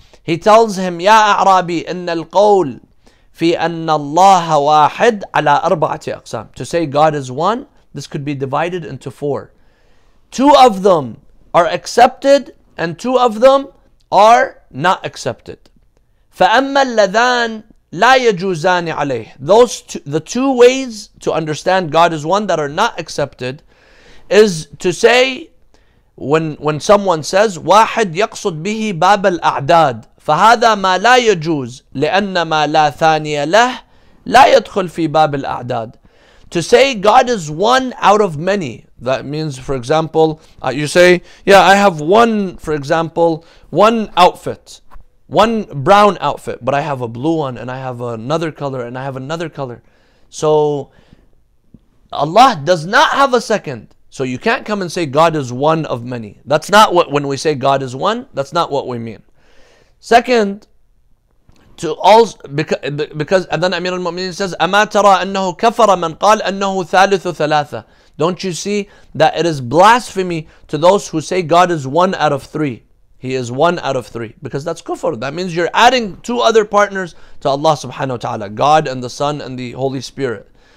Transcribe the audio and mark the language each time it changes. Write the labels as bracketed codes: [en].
[en] He tells him, [ar] Ya Arabi, inna al-qawl fi anna allaha wahid ala arba'ati aqsam. [en] To say God is one, this could be divided into four. Two of them are accepted and two of them are not accepted. [ar] فَأَمَّا اللَّذَانِ لَا يَجُوزَانِ عَلَيْهِ [en] The two ways to understand God is one that are not accepted is to say, when someone says, [ar] وَاحِدْ يَقْصُدْ بِهِ بَابَ الْأَعْدَادِ فَهَذَا مَا لَا يَجُوزْ لِأَنَّ مَا لَا ثَانِيَ لَهِ لَا يَدْخُلْ فِي بَابَ الْأَعْدَادِ. [en] To say God is one out of many. That means, for example, you say, yeah, I have one, for example, one outfit. One brown outfit, but I have a blue one, and I have another color, and I have another color. So Allah does not have a second. So you can't come and say God is one of many. That's not what, when we say God is one, that's not what we mean. Second, and then Amir al-Mu'mineen says, [ar] أَمَا تَرَى أَنَّهُ كَفَرَ مَنْ قَالَ أَنَّهُ ثَالِثُ ثَلَاثَ. [en] Don't you see that it is blasphemy to those who say God is one out of three? He is one out of three. Because that's kufr. That means you're adding two other partners to Allah subhanahu wa ta'ala. God and the Son and the Holy Spirit.